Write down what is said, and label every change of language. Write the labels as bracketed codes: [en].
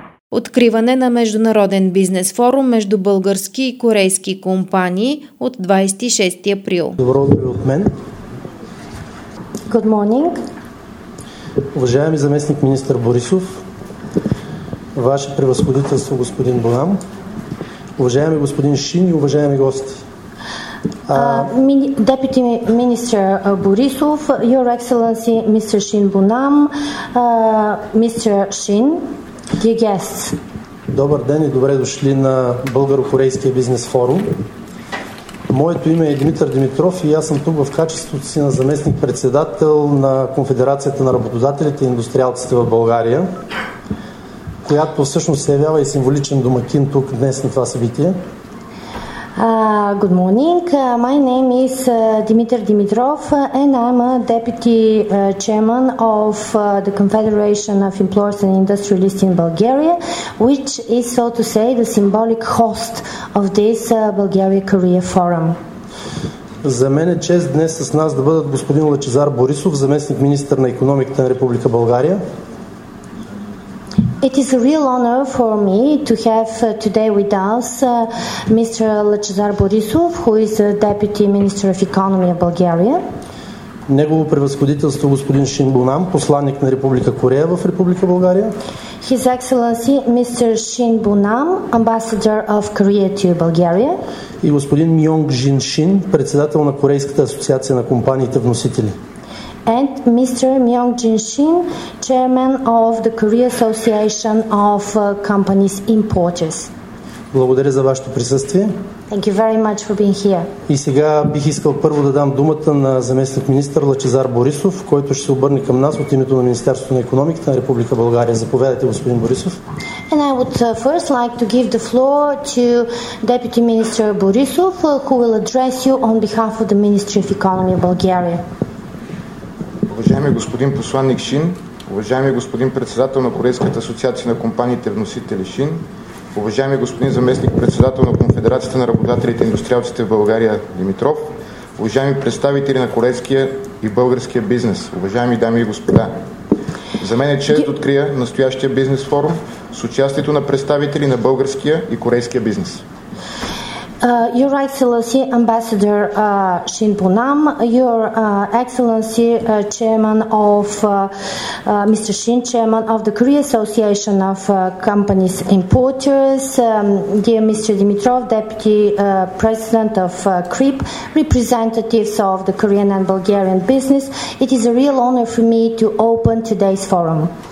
[bg] Откриване на международен бизнес форум между български и корейски компании от 26 април. Добро утро от мен. [en] Good morning. [bg] Уважаеми заместник министър Борисов, ваше превъзходителство господин Бонам, уважаеми господин Шин и уважаеми гости. [en] Deputy Minister Борисов, Your Excellency Mr. Шин Бонам, Mr. Шин, dear guests. [bg] Добър ден и добре дошли на Българо-Корейския бизнес форум. Моето име е Димитър Димитров и аз съм тук в качеството си на заместник-председател на Конфедерацията на работодателите и индустриалците в България, която всъщност се явява и символичен домакин тук днес на това събитие. [en] Good morning. My name is Dimitar Dimitrov and I'm a deputy chairman of the Confederation of Employers and Industrialists in Bulgaria, which is, so to say, the symbolic host of this Bulgaria-Korea forum. [bg] За мен е чест днес с нас да бъдат господин Лъчезар Борисов, заместник министър на икономиката на Република България. [en] It is a real honor for me to have today with us Mr. Лъчезар Борисов, who is the Deputy Minister of Economy of Bulgaria. [bg] Негово превъзходителство господин Шин Бонам, посланник на Република Корея в Република България. [en] His Excellency Mr. Шин Бонам, Ambassador of Korea to Bulgaria. [bg] И господин Мьонг Жин Шин, председател на Корейската асоциация на компаниите вносители. [en] And Mr. Myung Jin Shin, Chairman of the Korea Association of Companies Importers. [bg] Благодаря за вашето присъствие. [en] Thank you very much for being here. [bg] И сега бих искал първо да дам думата на заместник министър Лъчезар Борисов, който ще се обърне към нас от името на Министерството на економиката на Република България. Заповядайте, господин Борисов. [en] And I would first like to give the floor to Deputy Minister Борисов, who will address you on behalf of the Ministry of Economy of Bulgaria. [bg] Уважаеми господин посланник Шин, уважаеми господин председател на Корейската асоциация на компаниите вносители Шин, уважаеми господин заместник председател на Конфедерацията на работодателите и индустриалците в България Димитров, уважаеми представители на корейския и българския бизнес, уважаеми дами и господа, за мен е чест да открия настоящия бизнес форум с участието на представители на българския и корейския бизнес. [en] Your Excellency Ambassador Shin Bonam, Your Excellency Chairman of Mr. Shin, Chairman of the Korea Association of Companies Importers, dear Mr. Dimitrov, Deputy President of CRIP, representatives of the Korean and Bulgarian business, it is a real honor for me to open today's forum.